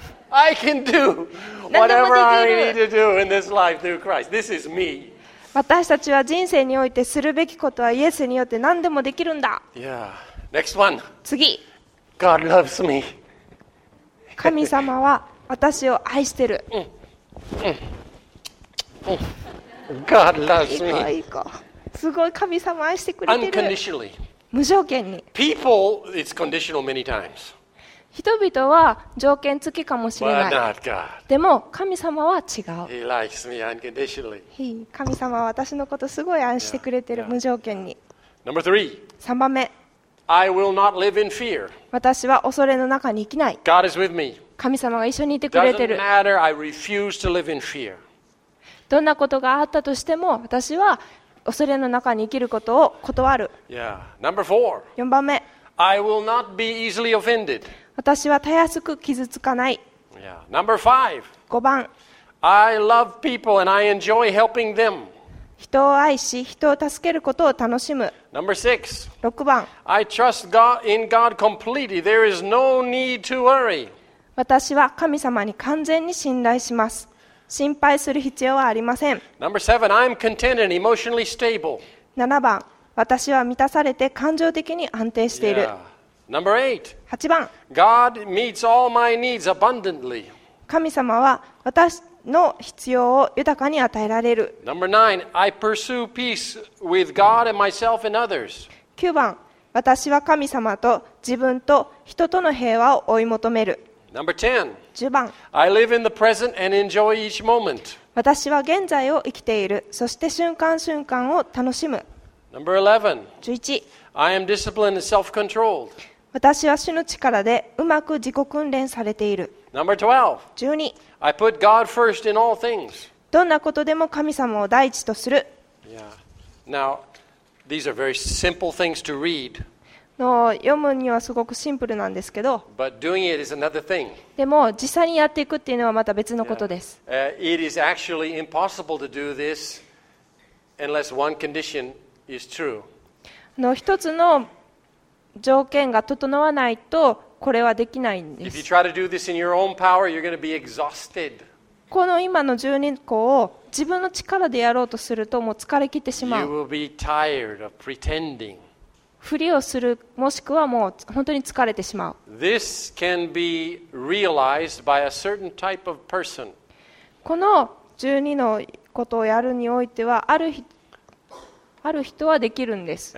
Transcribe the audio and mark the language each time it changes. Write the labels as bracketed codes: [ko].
[en] I can do whatever I need to do in this life through Christ. This is me. [ja] 私たちは人生においてするべきことはイエスによって何でもできるんだ。 [en] Yeah. Next one. [ja] 次。 [en] God loves me. [ja] 神様は私を愛してる。 [en] God loves me. [ja] いいか。すごい、神様愛してくれてる。 [en] Unconditionally. [ja] 無条件に。 [en] People, it's conditional many times. [ja] 人々は条件付きかもしれない。 [en] But not God. [ja] でも神様は違う。 [en] He likes me unconditionally. [ja] 神様は私のことすごい愛してくれてる。yeah, yeah. 無条件に。 [en] Number three. [ja] 3番目。 [en] I will not live in fear. [ja] 私は恐れの中に生きない。 [en] God is with me. [ja] 神様が一緒にいてくれてる。 [en] Doesn't matter, I refuse to live in fear. [ja] どんなことがあったとしても私は恐れの中に生きることを断る。 [en] Yeah. Number four. [ja] 4番目。 [en] I will not be easily offended. [ja] 私はたやすく傷つかない。 [en] Yeah. Number five. [ja] 5番。 [en] I love people and I enjoy helping them. [ja] 人を愛し人を助けることを楽しむ。 [en] Number six. [ja] 6番。 [en] I trust God in God completely. There is no need to worry. [ja] 私は神様に完全に信頼します。心配する必要はありません。 [en] Number seven, I'm content and emotionally stable. [ja] 7番、私は満たされて感情的に安定している。 [en] Yeah. Number eight, [ja] 8番、 [en] God meets all my needs abundantly. [ja] 神様は私の必要を豊かに与えられる。 [en] Number nine, I pursue peace with God and myself and others. [ja] 9番、私は神様と自分と人との平和を追い求める。 [en] Number ten. [ja] 10番。 [en] I live in the present and enjoy each moment. [ja] 私は現在を生きている。そして瞬間瞬間を楽しむ。 [en] Number 11. [ja] 11. [en] I am disciplined and self-controlled. [ja] 私は主の力でうまく自己訓練されている。 [en] Number 12. [ja] 12. [en] I put God first in all things. [ja] どんなことでも神様を第一とする。 [en] Yeah. Now, these are very simple things to read. [ja] 読むにはすごくシンプルなんですけど、 [en] But doing it is another thing. [ja] でも実際にやっていくっていうのはまた別のことです。 [en] Yeah. It is actually impossible to do this unless one condition is true. [ja] 一つの条件が整わないとこれはできないんです。 [en] If you try to do this in your own power, you're going to be exhausted. [ja] この今の12個を自分の力でやろうとするともう疲れ切ってしまう。 [en] You will be tired of pretending. [ja] ふりをする、もしくはもう本当に疲れてしまう。 [en] This can be realized by a certain type of person. [ja] この12のことをやるにおいては、あるある人はできるんです。